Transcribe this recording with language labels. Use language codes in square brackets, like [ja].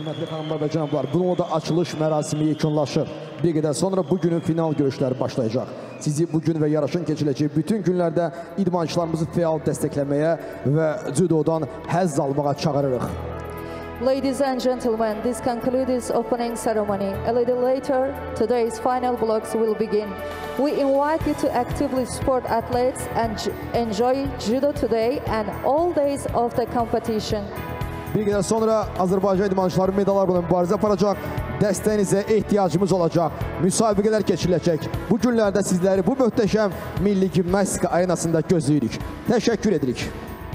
[az] xanımlar və cənablar, bununla da açılış mərasimi yekunlaşır. Bir qədər sonra bugünün final görüşləri başlayacaq. Sizi bugün və yarışın keçiləcəyi bütün günlərdə idmançılarımızı fəal dəstəkləməyə və judodan həzz almağa çağırırıq. [en] Ladies and gentlemen, this concludes opening ceremony. A little later, today's final blocks will begin. We invite you to actively support athletes and enjoy judo today and all days of the competition. [az] Bir qədər sonra Azərbaycan idmançıları medallarla mübarizə aparacaq. Dəstəyinizə ehtiyacımız olacaq. Müsabiqələr keçiriləcək. Bu günlərdə sizləri bu möhtəşəm milli gimnastika arenasında gözləyirik. Təşəkkür edirik.